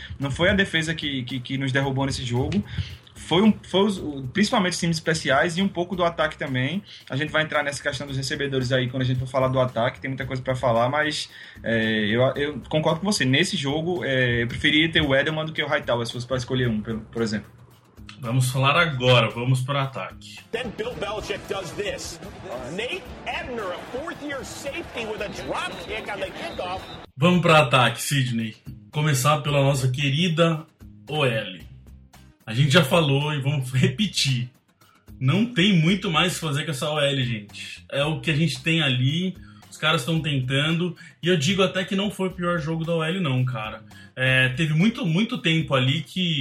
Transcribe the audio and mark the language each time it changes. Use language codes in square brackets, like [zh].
[pt] Não foi a defesa que nos derrubou nesse jogo. Foi principalmente os times especiais e um pouco do ataque também. A gente vai entrar nessa questão dos recebedores aí quando a gente for falar do ataque, tem muita coisa para falar, mas eu concordo com você. Nesse jogo, eu preferia ter o Edelman do que o Hightower, se fosse para escolher um, por exemplo. Vamos falar agora, vamos para o ataque. [en] Then Bill Belichick does this. Nate Ebner, a fourth year safety with a drop kick on the kickoff. [pt] Vamos para o ataque, Sidney. Começar pela nossa querida OL. A gente já falou e vamos repetir. Não tem muito mais o que fazer com essa OL, gente. É o que a gente tem ali, os caras estão tentando. E eu digo até que não foi o pior jogo da OL, não, cara. Teve muito, muito tempo ali que...